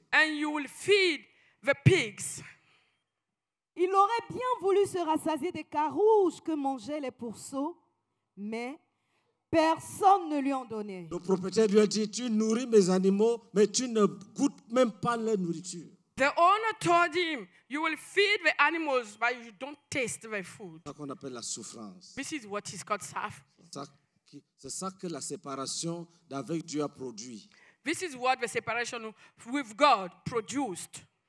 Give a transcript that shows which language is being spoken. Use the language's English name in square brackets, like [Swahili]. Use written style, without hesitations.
[English] And you will feed the pigs. [French] Il aurait bien voulu se rassasier des carouges que mangeaient les pourceaux, mais personne ne lui en donnait. Le propriétaire lui a dit, tu nourris mes animaux, mais tu ne goûtes même pas leur nourriture. [English] The owner told him, you will feed the animals, but you don't taste their food. [French] C'est ce qu'on appelle la souffrance. [English] This is what is called suffering. [French] C'est ça que la séparation d'avec Dieu a produit. [English] This is what the separation with God produced.